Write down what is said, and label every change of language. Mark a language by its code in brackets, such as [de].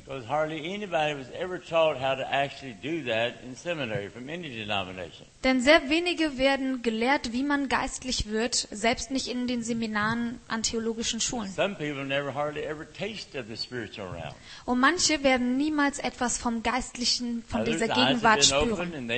[en] Because hardly anybody was ever taught how to actually do that in seminary from any denomination. [de] Denn sehr wenige werden gelehrt, wie man geistlich wird, selbst nicht in den Seminaren an theologischen Schulen. [en] Some people never hardly ever taste of the spiritual realm. [de] Und manche werden niemals etwas vom Geistlichen, von dieser Gegenwart spüren.